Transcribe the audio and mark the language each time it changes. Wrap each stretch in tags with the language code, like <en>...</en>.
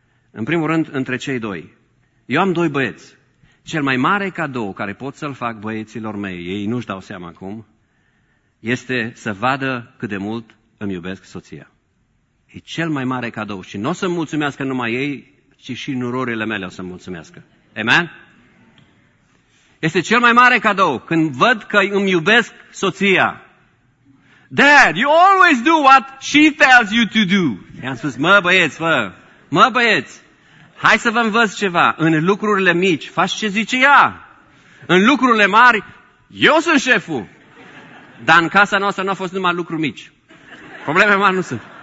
<ro>În primul rând, între cei doi. Eu am doi băieți. Cel mai mare cadou care pot să-l fac băieților mei, ei nu-și dau seama acum, este să vadă cât de mult îmi iubesc soția. E cel mai mare cadou. Și nu o să-mi mulțumească numai ei, ci și nurorile mele o să-mi mulțumească. Amen? Este cel mai mare cadou când văd că îmi iubesc soția.</ro> <en>Dad, you always do what she tells you to do.</en> <ro>I-am spus, mă băieți, hai să vă învăț ceva. În lucrurile mici, faci ce zice ea. În lucrurile mari, eu sunt șeful. Dar în casa noastră nu au fost numai lucruri mici. Probleme mari nu sunt.</ro>